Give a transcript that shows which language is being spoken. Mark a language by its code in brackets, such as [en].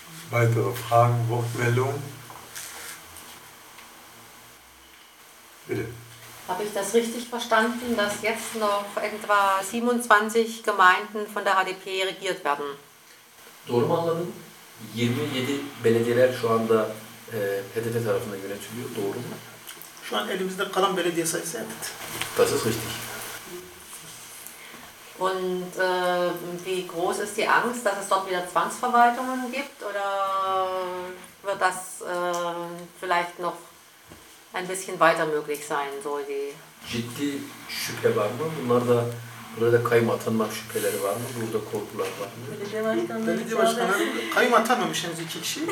[de] Weitere Fragen, Wortmeldung? Bitte. Habe ich das richtig verstanden, dass jetzt noch etwa 27 Gemeinden von der HDP regiert werden? [tr] Doğru mu anladım? 27 belediyeler şu anda HDP tarafından yönetiliyor. Doğru mu? Şu an elimizde kalan belediye sayısı evet. [de] Das ist richtig. Und wie groß ist die Angst, dass es dort wieder Zwangsverwaltungen gibt? Oder wird das vielleicht noch ein bisschen weiter möglich sein, so die... [tr] Ciddi şüphe var mı? Bunlar da, burada kayyum atanmak şüpheleri var mı? Burada korkular var mı? Belediye başkanı kayyum atanmamış henüz iki kişi.